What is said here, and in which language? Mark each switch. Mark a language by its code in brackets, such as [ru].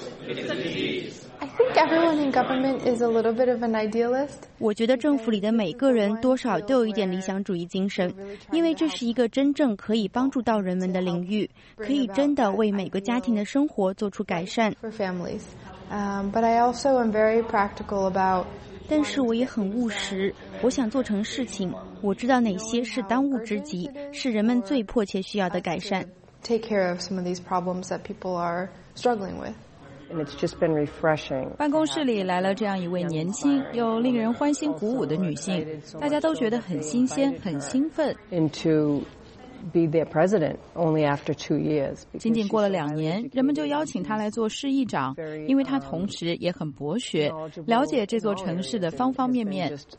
[en] I think everyone in government is a little bit of an idealist. [zh] 我觉得政府里的每个人多少都有一点理想主义精神，因为这是一个真正可以帮助到人们的领域，可以真的为每个家庭的生活做出改善。 [en] For families, but I also am very practical about. [zh] 但是我也很务实，我想做成事情。我知道哪些是当务之急，是人们最迫切需要的改善。 [en] Take care of some of these problems that people are struggling with. And it's just been refreshing. [zh] 办公室里来了这样一位年轻又令人欢欣鼓舞的女性，大家都觉得很新鲜，很兴奋。 [en] Into be their president only after 2 years. [zh] 仅仅过了两年，人们就邀请他来做市议长，因为他同时也很博学，了解这座城市的方方面面。